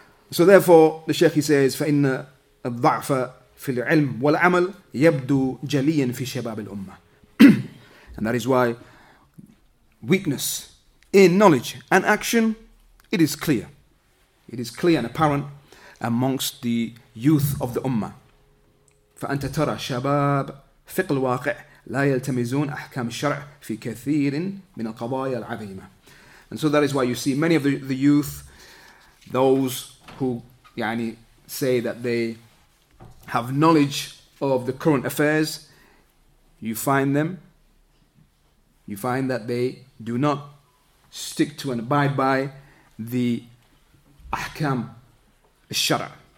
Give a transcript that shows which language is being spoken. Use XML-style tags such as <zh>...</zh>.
<en>So therefore, the Shaykh, he says,</en> <ar>فَإِنَّ الضَّعْفَ فِي الْعِلْمِ وَالْعَمَلِ يَبْدُو جَلِيًا فِي شَبَابِ الْأُمَّةِ.</ar> <en>And that is why weakness in knowledge and action, it is clear. It is clear and apparent amongst the youth of the Ummah.</en> <ar>فَأَنْتَ تَرَى شَبَابَ فِقْلْ وَاقِعِ لا يلتمزون أحكام الشرع في كثير من القضايا العظيمة.</ar> <en>And so that is why you see many of the youth, those who يعني say that they have knowledge of the current affairs, you find that they do not stick to and abide by the أحكام الشرع.</en>